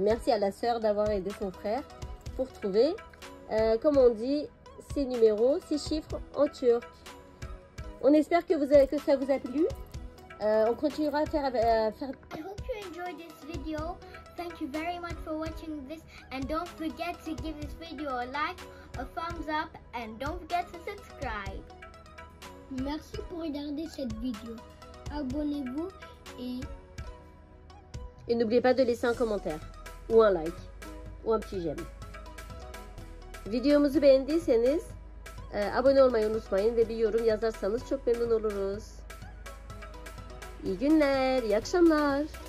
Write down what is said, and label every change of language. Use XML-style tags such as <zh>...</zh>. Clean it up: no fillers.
<fr>Merci à la sœur d'avoir aidé son frère pour trouver, comment on dit, ces numéros, ces chiffres en turc. On espère que vous avez, que ça vous a plu. On continuera à faire,</fr> <en>I hope you enjoyed this video. Thank you very much for watching this. And don't forget to give this video a like, a thumbs up, and don't forget to subscribe.</en> <fr>Merci pour regarder cette vidéo. Abonnez-vous et... Et n'oubliez pas de laisser un commentaire. Ou un like. Ou un petit j'aime.</fr> <tr>Videomuzu beğendiyseniz... abone olmayı unutmayın ve bir yorum yazarsanız çok memnun oluruz. İyi günler, iyi akşamlar.</tr>